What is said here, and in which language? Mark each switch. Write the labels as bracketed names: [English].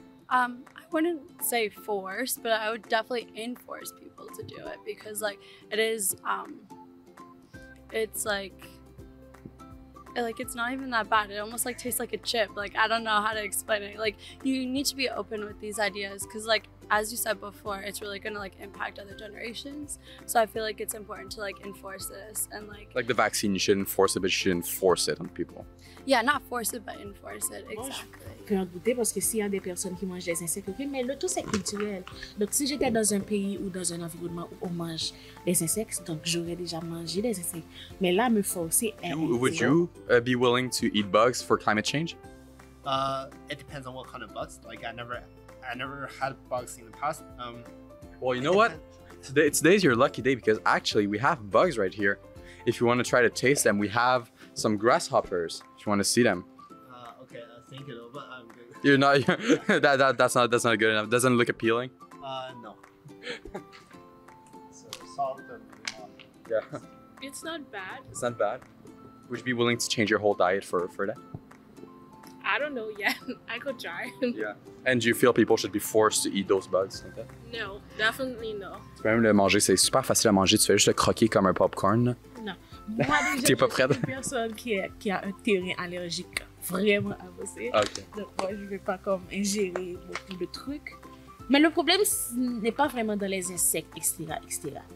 [English] I wouldn't say force, but I would definitely enforce people to do it, because like it is, it's not even that bad. It almost like tastes like a chip. Like, I don't know how to explain it. Like, you need to be open with these ideas, because like as you said before, it's really going to like impact other generations. So I feel like it's important to like enforce this and like the vaccine, you should enforce it, but you should enforce it on people. Yeah, not force it, but enforce it. Exactly. [French] Je peux en douter parce que s'il y a des personnes qui mangent des insectes, ok, mais le tout c'est culturel. Donc si j'étais dans un pays ou dans un environnement où on mange des insectes, donc j'aurais déjà mangé des insectes. Mais là, me forcer. [English] Would you be willing to eat bugs for climate change? It depends on what kind of bugs. Like I never had bugs in the past. Well, you know what? Today's your lucky day because actually we have bugs right here. If you want to try to taste them, we have some grasshoppers. If you want to see them. Okay, thank you, though, but I'm good. You're not. You're, that's not good enough. Doesn't look appealing. No. So salt and lemon. Yeah. It's not bad. It's not bad. Would you be willing to change your whole diet for that? I don't know yet. I could try. Yeah. And do you feel people should be forced to eat those bugs? Like that? No, definitely no. [French] Tu peux même le manger, c'est super facile à manger. Tu fais juste le croquer comme un popcorn. Non. Moi, déjà, je suis une personne qui a un terrain allergique vraiment à bosser. [English] Okay. [French] Donc, moi, je ne vais pas comme ingérer beaucoup de trucs. Mais le problème n'est pas vraiment dans les insectes, etc., etc.